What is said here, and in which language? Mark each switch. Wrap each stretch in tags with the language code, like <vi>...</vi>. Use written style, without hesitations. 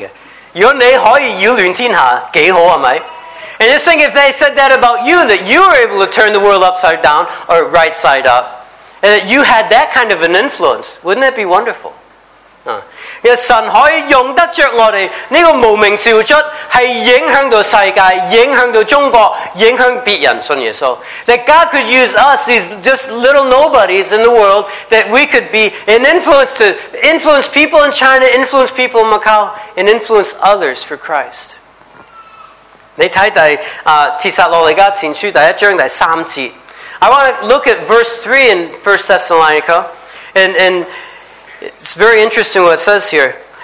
<en>And just think if they said that about you, that you were able to turn the world upside down or right side up, and that you had that kind of an influence, wouldn't that be wonderful?</en> <zh>神可以用得着我们，这个无名小卒，是影响到世界，影响到中国，影响别人信耶稣。</zh> <en>That God could use us, these just little nobodies in the world, that we could be an influence to influence people in China, influence people in Macau, and influence others for Christ.</en> <zh>你看帖撒罗尼迦前书第1章第3节。</zh> <en>I want to look at verse 3 in 1 Thessalonica. And it's very interesting what it says here.</en>